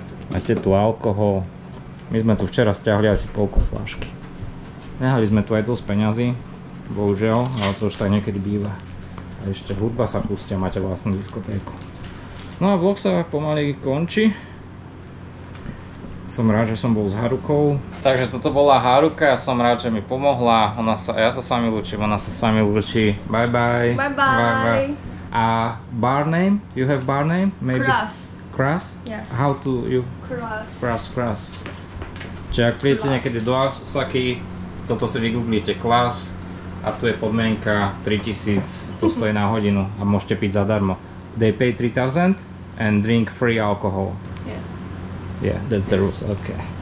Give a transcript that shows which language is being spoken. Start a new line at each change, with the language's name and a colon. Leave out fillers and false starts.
Slovak: Máte tu alkohol. My sme tu včera stiahli asi polku fľašky. Nehali sme tu aj dosť peňazí, bohužiaľ, ale to už tak niekedy býva. A ešte hudba sa pustia, máte vlastnú diskotéku. No a vlog sa pomaly končí. Som rád, že som bol s Harukou. Takže toto bola Haruka, ja som rád, že mi pomohla. Ona sa s vami lúči.
English: Bye bye. Bye bye. Bye bye. A bar name? You have bar name? Maybe? Krás. Krás? Yes. How to you? Krás. Krás.
Slovak: Čiže ak prídete niekedy do Osaky, toto si vygooglíte Krás. A tu je podmienka 3000, to stojí na hodinu a môžete piť zadarmo.
English: They pay 3000 and drink free alcohol. Yeah. Yeah, that's the rules, okay.